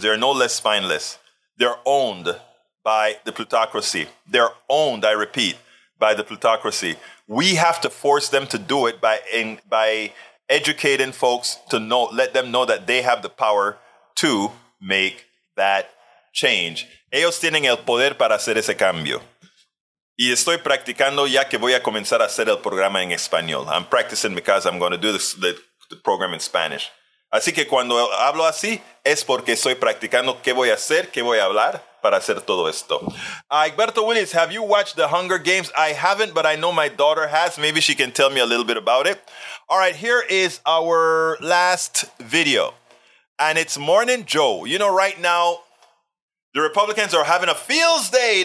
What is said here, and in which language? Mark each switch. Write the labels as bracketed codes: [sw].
[en] They are no less spineless. They're owned by the plutocracy. They're owned, I repeat, by the plutocracy. We have to force them to do it by educating folks to know, let them know that they have the power to make that change. [es] Ellos tienen el poder para hacer ese cambio. Y estoy practicando ya que voy a comenzar a hacer el programa en español. [en] I'm practicing because I'm going to do the program in Spanish. [es] Así que cuando hablo así, es porque estoy practicando qué voy a hacer, qué voy a hablar para hacer todo esto. [en] Egberto Willis, have you watched The Hunger Games? I haven't, but I know my daughter has. Maybe she can tell me a little bit about it. All right, here is our last video. And it's Morning Joe. You know, right now, the Republicans are having a fields day.